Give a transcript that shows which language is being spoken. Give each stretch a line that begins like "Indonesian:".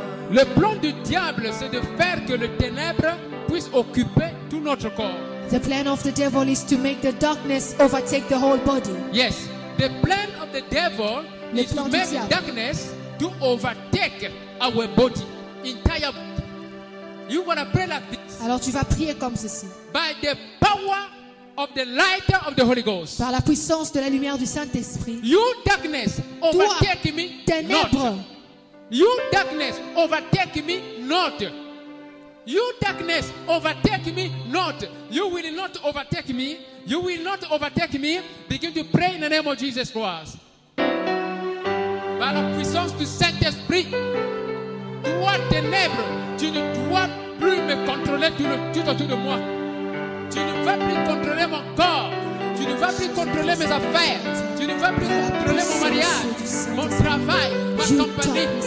French: Le plan du diable, c'est de faire que le ténèbre puisse occuper tout notre corps.
English: The plan of the devil is to make the darkness overtake the whole body. Yes, the plan of the devil is to make darkness to overtake our body, entire body. You wanna pray like this?
French: Alors tu vas prier comme ceci.
English: By the power of the light of the Holy Ghost.
French: Par la puissance de la lumière du Saint-Esprit.
English: You darkness, overtake me,
French: ténèbre.
English: Not. You darkness, overtake me not. You darkness, overtake me not. You will not overtake me. You will not overtake me. Begin to pray in the name of Jesus Christ.
French: Par la puissance du Saint-Esprit, toi ténèbres, tu ne dois plus me contrôler tout autour de moi. Tu ne vas plus contrôler mon corps. Tu ne vas plus contrôler mes affaires. Tu ne vas plus contrôler mon mariage, mon travail, ma compagnie.